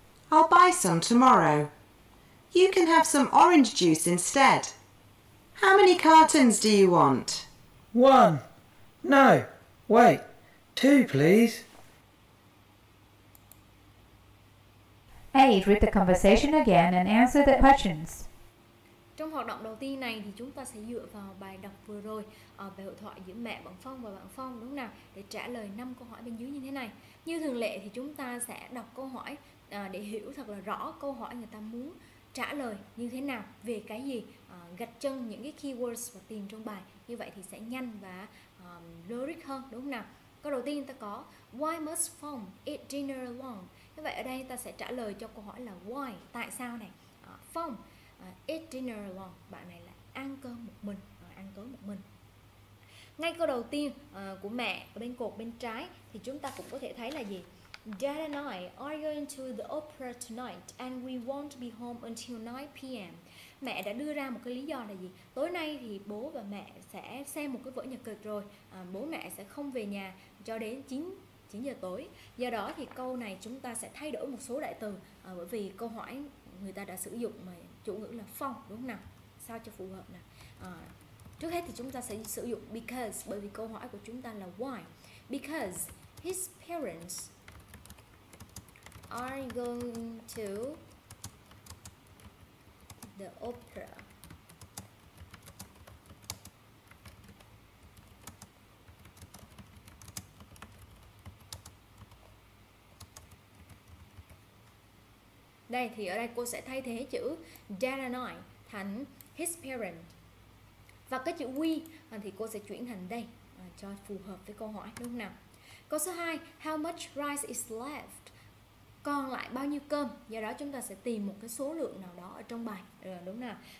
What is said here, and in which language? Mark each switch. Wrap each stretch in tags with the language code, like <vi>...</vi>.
<en>I'll buy some tomorrow. You can have some orange juice instead. How many cartons do you want? One. No, wait. Two, please. Eight, read the conversation again and answer the questions.</en> <vi>Trong hoạt động đầu tiên này thì chúng ta sẽ dựa vào bài đọc vừa rồi về hội thoại giữa mẹ bạn Phong và bạn Phong đúng không nào, để trả lời 5 câu hỏi bên dưới như thế này. Như thường lệ thì chúng ta sẽ đọc câu hỏi để hiểu thật là rõ câu hỏi người ta muốn trả lời như thế nào, về cái gì, gạch chân những cái keywords và tìm trong bài. Như vậy thì sẽ nhanh và logic hơn đúng không nào. Câu đầu tiên ta có</vi> <en>Why must Phong eat dinner alone?</en> <vi>Như vậy ở đây ta sẽ trả lời cho câu hỏi là why, tại sao này.</vi> <en>Phong eat dinner alone,</en> <vi>bạn này là ăn cơm một mình, ăn cơm một mình. Ngay câu đầu tiên của mẹ ở bên cột bên trái thì chúng ta cũng có thể thấy là gì?</vi> <en>Dad and I are going to the opera tonight and we won't be home until 9 p.m.</en> <vi>Mẹ đã đưa ra một cái lý do là gì? Tối nay thì bố và mẹ sẽ xem một cái vở nhạc kịch rồi, bố mẹ sẽ không về nhà cho đến 9 giờ tối. Do đó thì câu này chúng ta sẽ thay đổi một số đại từ, bởi vì câu hỏi người ta đã sử dụng mà chủ ngữ là phong đúng không nào, sao cho phù hợp nào. Trước hết thì chúng ta sẽ sử dụng because, bởi vì câu hỏi của chúng ta là why.</vi> <en>Because his parents are going to the opera đây.</en> <vi>Thì ở đây cô sẽ thay thế chữ</vi> <en>Dad and I</en> <vi>thành his parent, và cái chữ we thì cô sẽ chuyển thành they cho phù hợp với câu hỏi đúng không nào. Câu số 2,</vi> <en>how much rice is left,</en> <vi>còn lại bao nhiêu cơm. Do đó chúng ta sẽ tìm một cái số lượng nào đó ở trong bài đúng không nào.</vi>